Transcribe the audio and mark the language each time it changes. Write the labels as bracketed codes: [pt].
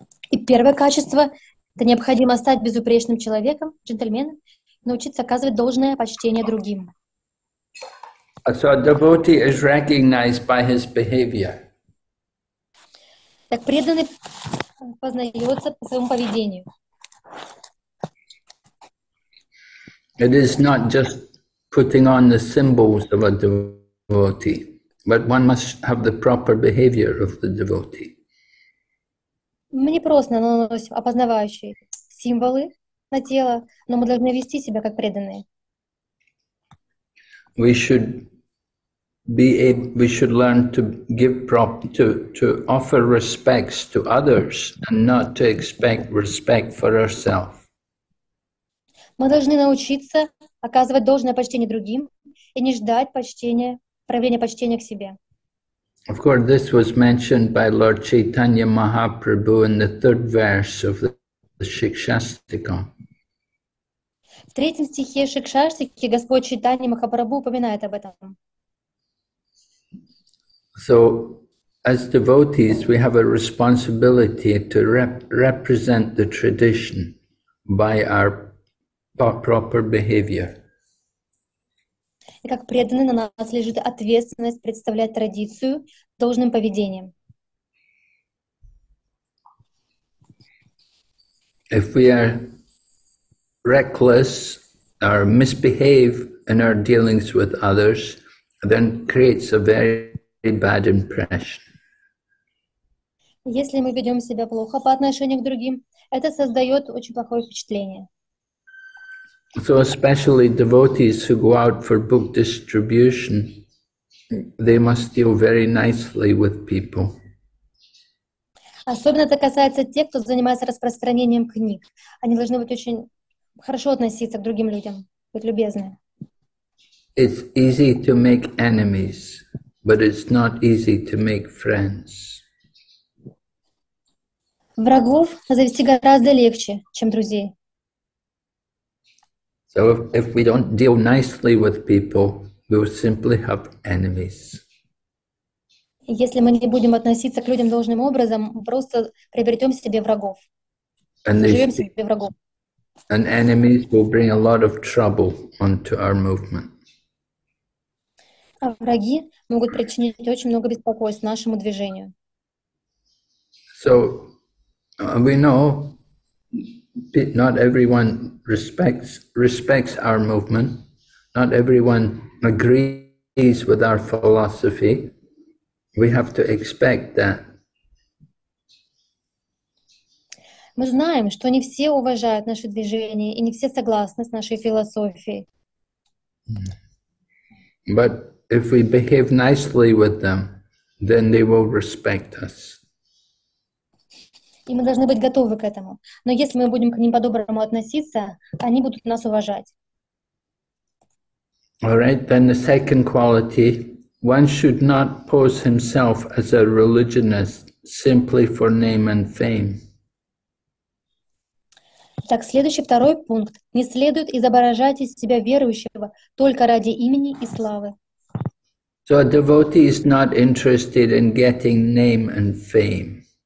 [ru] И первое качество это необходимо стать безупречным человеком, джентльменом, научиться оказывать должное почтение другим. [en] So a devotee is recognized by his behavior. [ru] Так преданный познается по своему поведению. [en] It is not just putting on the symbols of a devotee, but one must have the proper behavior of the devotee. [ru] Мы не просто наносим опознавающие символы на тело, но мы должны вести себя как преданные. [en] We should be able, we should learn to give prop to offer respects to others and not to expect respect for ourselves. [ru] Мы должны научиться оказывать должное почтение другим и не ждать почтения, проявления почтения к себе. [en] Of course, this was mentioned by Lord Chaitanya Mahaprabhu in the third verse of the Shikshastika. [ru] В третьем стихе Шикшаштики Господь Чайтанья Махапрабху упоминает об этом. [en] So, as devotees, we have a responsibility to represent the tradition by our proper behavior. [ru] И как преданный, на нас лежит ответственность представлять традицию должным поведением. [en] If we are reckless or misbehave in our dealings with others, then creates a very bad impression. [ru] Если мы ведем себя плохо по отношению к другим, это создает очень плохое впечатление. [en] So especially devotees who go out for book distribution, they must deal very nicely with people. [ru] Особенно это касается тех, кто занимается распространением книг. Они должны быть очень хорошо относиться к другим людям, быть любезны. [en] It's easy to make enemies, but it's not easy to make friends. [ru] Врагов завести гораздо легче, чем друзей. [en] So if we don't deal nicely with people, we will simply have enemies. [ru] Если мы не будем относиться к людям должным образом, мы просто приобретем себе врагов. Живем себе врагов. [en] And enemies will bring a lot of trouble onto our movement. [ru] А враги могут причинить очень много беспокойств нашему движению. [en] So we know not everyone respects our movement. Not everyone agrees with our philosophy. We have to expect that. [ru] Мы знаем, что не все уважают наше движение и не все согласны с нашей философией. [en] But if we behave nicely with them, then they will respect us. [ru] И мы должны быть готовы к этому. Но если мы будем к ним по-доброму относиться, они будут нас уважать. [en] All right, then the second quality. One should not pose himself as a religionist simply for name and fame. [ru] Так, следующий, второй пункт. Не следует изображать из себя верующего только ради имени и славы. [en] So a devotee is not interested in getting name and fame.